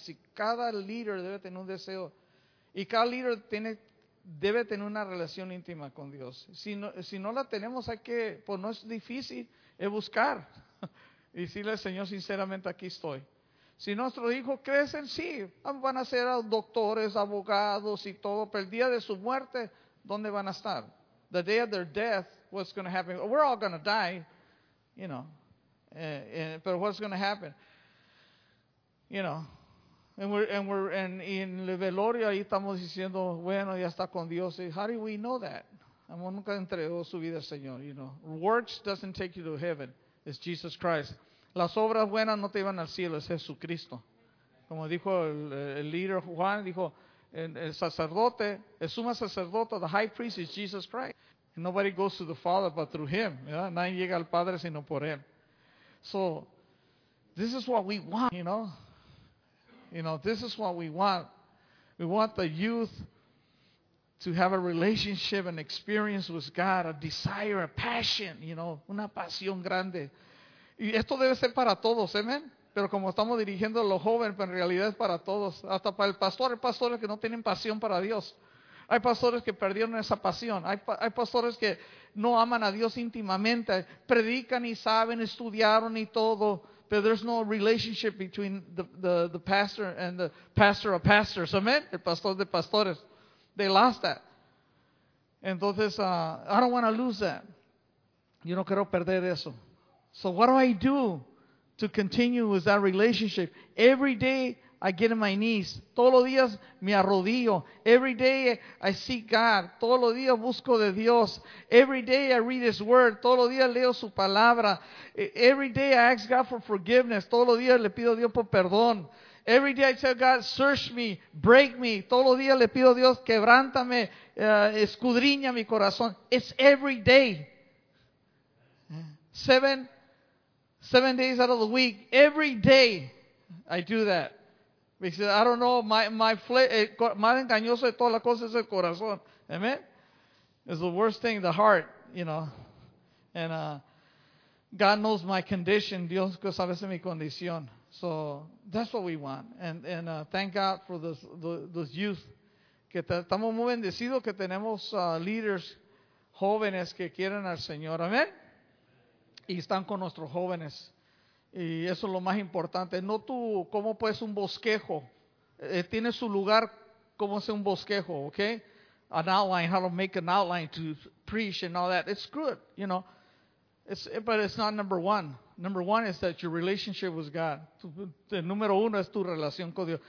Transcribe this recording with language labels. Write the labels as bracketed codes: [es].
[es] Si cada líder debe tener un deseo. Y cada líder debe tener una relación íntima con Dios. Si no la tenemos, hay que... Pues no es difícil, es buscar. Y decirle al Señor, sinceramente, aquí estoy. Si nuestros hijos crecen, sí, van a ser doctores, abogados y todo, pero el día de su muerte, ¿dónde van a estar? [en] The day of their death, what's going to happen? We're all going to die, you know, but what's going to happen? You know, and [es] en el velorio ahí estamos diciendo, bueno, ya está con Dios. [en] How do we know that? [es] Amor nunca entregó su vida al Señor, [en] you know. Works doesn't take you to heaven. It's Jesus Christ. [es] Las obras buenas no te llevan al cielo, es Jesucristo. Como dijo el líder Juan, dijo, el sacerdote, el suma sacerdote, [en] the high priest is Jesus Christ. Nobody goes to the Father but through Him. Yeah? [es] Nadie llega al Padre sino por Él. [en] So, this is what we want, you know. You know, this is what we want. We want the youth to have a relationship, an experience with God, a desire, a passion, you know, una pasión grande. [es] Y esto debe ser para todos, amen. Pero como estamos dirigiendo a los jóvenes, pero en realidad es para todos. Hasta para el pastor, hay pastores que no tienen pasión para Dios. Hay pastores que perdieron esa pasión. Hay pastores que no aman a Dios íntimamente. Predican y saben, estudiaron y todo. [en] Pero there's no relationship between the pastor and the pastor of pastors, amen. [es] El pastor de pastores. [en] They lost that. Entonces, I don't want to lose that. [es] Yo no quiero perder eso. [en] So what do I do to continue with that relationship? Every day I get on my knees. [es] Todos los días me arrodillo. [en] Every day I seek God. [es] Todos los días busco de Dios. [en] Every day I read His word. [es] Todos los días leo su palabra. [en] Every day I ask God for forgiveness. [es] Todos los días le pido a Dios por perdón. [en] Every day I tell God, search me, break me. [es] Todos los días le pido a Dios, quebrántame, escudriña mi corazón. [en] It's every day. Seven days out of the week, every day I do that. Because I don't know, my flesh, [es] más engañoso de todas las cosas es el corazón. [en] Amen? It's the worst thing, the heart, you know. And God knows my condition. [es] Dios sabe mi condición. [en] So that's what we want. And thank God for those youth. [es] Que estamos muy bendecidos que tenemos leaders, jóvenes que quieren al Señor. Amén. Y están con nuestros jóvenes. Y eso es lo más importante. No tú, ¿cómo puedes un bosquejo? Tiene su lugar como hacer un bosquejo, ¿ok? [en] An outline, how to make an outline to preach and all that. It's good, you know. But it's not number one. Number one is that your relationship with God. [es] El número uno es tu relación con Dios.